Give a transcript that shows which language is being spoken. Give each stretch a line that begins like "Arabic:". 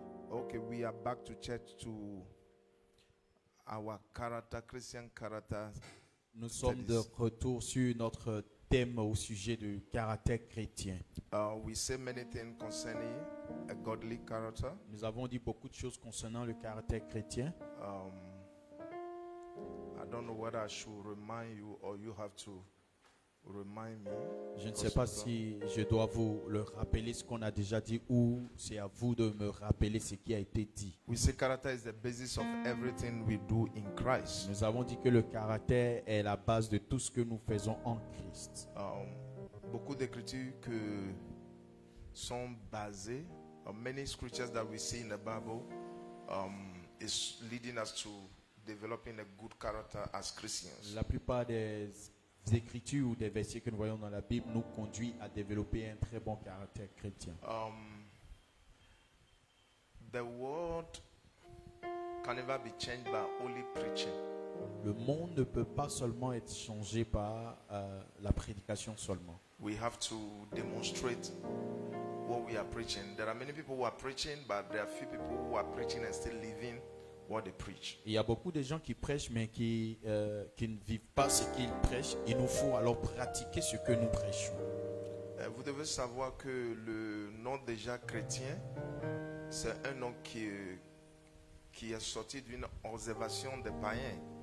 English: Ok, we are back to church to... our character, Christian character.
French: Nous sommes de retour sur notre thème au sujet du caractère chrétien.
English: We say many things concerning a godly character.
French: Nous avons dit beaucoup de choses concernant le caractère chrétien.
English: I don't know whether I should remind you or you have to remind me.
French: Je ne sais pas si je dois vous le rappeler ce qu'on a déjà dit ou c'est à vous de me rappeler ce qui a été dit.
English: We say character is the basis of everything we do in Christ.
French: Nous avons dit que le caractère est la base de tout ce que nous faisons en Christ. Beaucoup d'écritures que sont basées,
English: many scriptures that we see in the Bible, is leading us to developing a good character as Christians.
French: La plupart des écritures ou des versets que nous voyons dans la Bible nous conduit à développer un très bon caractère chrétien.
English: The world can never be changed by only preaching.
French: Le monde ne peut pas seulement être changé par la prédication seulement.
English: We have to demonstrate what we are preaching. There are many people who are preaching, but there are few people who are preaching and still living what they preach.
French: Il y a beaucoup de gens qui prêchent mais qui ne vivent pas ce qu'ils prêchent. Il nous faut alors pratiquer ce que nous prêchons. Vous devez savoir que le nom déjà chrétien, c'est un nom qui est sorti d'une observation des païens.